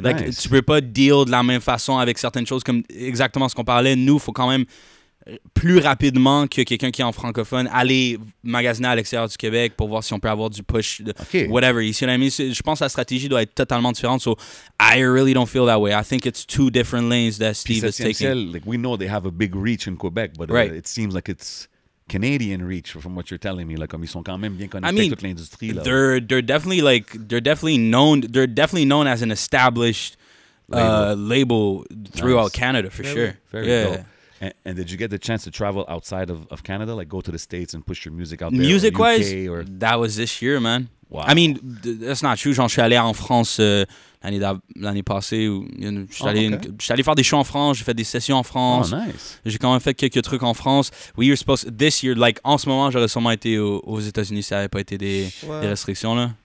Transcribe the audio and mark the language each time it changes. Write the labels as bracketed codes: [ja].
[en] like, nice. [fr] Tu peux pas deal de la même façon avec certaines choses comme exactement ce qu'on parlait. Nous, il faut quand même plus rapidement que quelqu'un qui est en francophone aller magasiner à l'extérieur du Québec pour voir si on peut avoir du push, whatever. [en] You see what I mean? [fr] Je pense que la stratégie doit être totalement différente. [en] So, I really don't feel that way. I think it's two different lanes that Steve is taking. Ciel, like, we know they have a big reach in Quebec, but it seems like it's Canadian reach from what you're telling me, like, [fr] comme ils sont quand même bien connectés avec toute l'industrie là. [en] They're definitely known as an established label throughout Canada for sure. Very cool. And did you get the chance to travel outside of Canada, like go to the States and push your music out there? Music wise, or that was this year, man. Wow. I mean, that's not true. [fr] Genre, je suis allé en France l'année passée. Je suis allé faire des shows en France. J'ai fait des sessions en France. Oh, nice. J'ai quand même fait quelques trucs en France. [en] We were supposed to, this year, like [fr] en ce moment, j'aurais sûrement été aux États-Unis si ça n'avait pas été des restrictions là.